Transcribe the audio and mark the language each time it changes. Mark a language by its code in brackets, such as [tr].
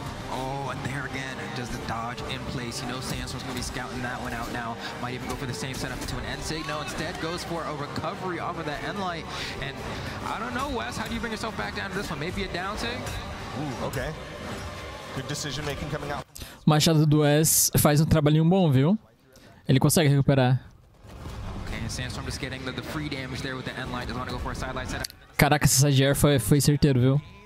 [en] Oh, and there again, does the dodge in place. You know Sandstorm's gonna be scouting that one out now. Might even go for the same setup to an end sig. No, instead goes for a recovery off of that end light. And I don't know, Wes, how do you bring yourself back down to this one? Maybe a down sig? Ooh, okay. Good decision making coming out. [pt] Machado do Wes faz trabalhinho bom, viu? Ele consegue recuperar. [en] Okay, and Sandstorm just getting the free damage there with the end light. Doesn't want to go for a side light setup. [pt] Caraca, essa side air foi certeiro, viu?